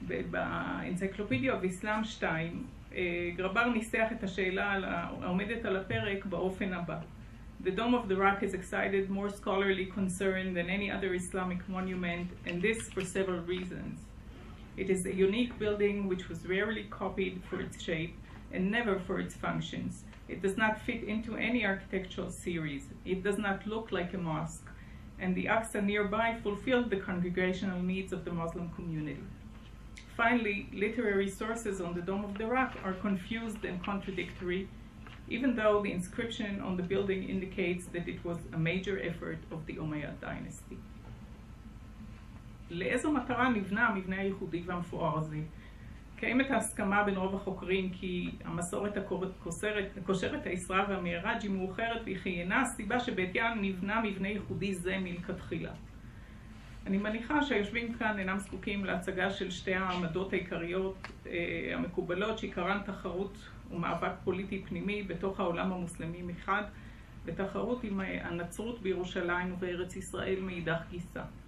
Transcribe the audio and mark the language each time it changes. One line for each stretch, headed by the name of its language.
Hebrew: באנציקלופדיה אוף אסלאם 2 גרבר ניסח את השאלה העומדת על הפרק באופן הבא:
English: The Dome of the Rock is excited more scholarly concern than any other Islamic monument, and this for several reasons. It is a unique building which was rarely copied for its shape and never for its functions. It does not fit into any architectural series. It does not look like a mosque, and the Aqsa nearby fulfilled the congregational needs of the Muslim community. Finally, literary sources on the Dome of the Rock are confused and contradictory, even though the inscription on the building indicates that it was a major effort of the Umayyad dynasty.
Hebrew: לאיזו מטרה נבנה המבנה הייחודי והמפואר הזה? קיימת ההסכמה בין רוב החוקרים כי המסורת הקושרת הישרה והמהרג'י מאוחרת וחיינה הסיבה שבעטיין נבנה מבנה ייחודי זה מלכתחילה. אני מניחה שהיושבים כאן אינם זקוקים להצגה של שתי העמדות העיקריות המקובלות שעיקרן תחרות ומאבק פוליטי פנימי בתוך העולם המוסלמי מחד ותחרות עם הנצרות בירושלים ובארץ ישראל מאידך גיסא.